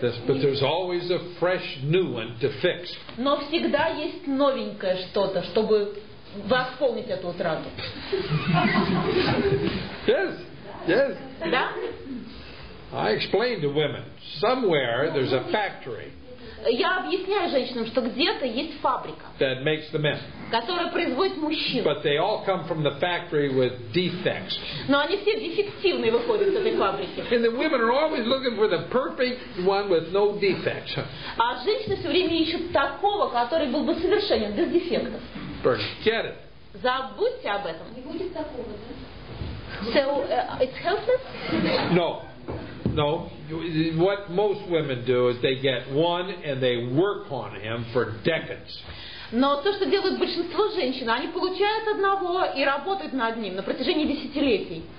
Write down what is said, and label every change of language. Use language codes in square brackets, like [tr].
[en] Yes, but there's always a fresh new one to fix. [ru] Но всегда есть новенькое что-то, чтобы восполнить эту утрату. [en] Yes, yes. [ru] Да? [en] I explained to women, somewhere there's a factory. [ru] Я объясняю женщинам, что где-то есть фабрика, [en] that makes the men, [ru] которая производит мужчин. [en] But they all come from the factory with defects. [ru] Но они все дефективные выходят с этой фабрики. [en] And the women are always looking for the perfect one with no defects. [ru] А женщины все время ищут такого, который был бы совершенен, без дефектов. [en] Forget it. [ru] Забудьте об этом. Не будет такого, да? [en] So, it's helpless? No. No, what most women do is they get one and they work on him for decades. [ru] Но то, что делают большинство женщин, они получают одного и работают над ним на протяжении десятилетий.